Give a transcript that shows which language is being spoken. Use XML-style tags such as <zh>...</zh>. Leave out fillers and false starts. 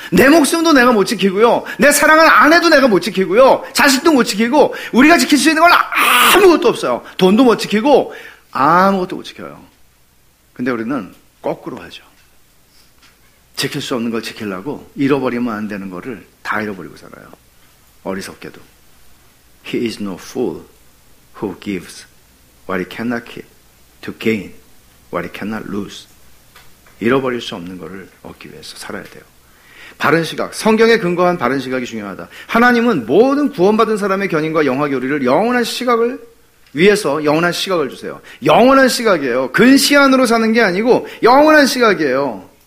<ko>내 목숨도 내가 못 지키고요, 내 사랑하는 아내도 내가 못 지키고요, 자식도 못 지키고, 우리가 지킬 수 있는 건 아무것도 없어요. 돈도 못 지키고, 아무것도 못 지켜요. 근데 우리는 거꾸로 하죠. 지킬 수 없는 걸 지키려고 잃어버리면 안 되는 거를 다 잃어버리고 살아요. 어리석게도.</ko> <en>He is no fool who gives what he cannot keep to gain what he cannot lose.</en> <ko>잃어버릴 수 없는 것을 얻기 위해서 살아야 돼요. 바른 시각, 성경에 근거한 바른 시각이 중요하다. 하나님은 모든 구원받은 사람의 견인과 영화 교리를 영원한 시각을 위해서 영원한 시각을 주세요. 영원한 시각이에요. 근시안으로 사는 게 아니고 영원한 시각이에요.</ko>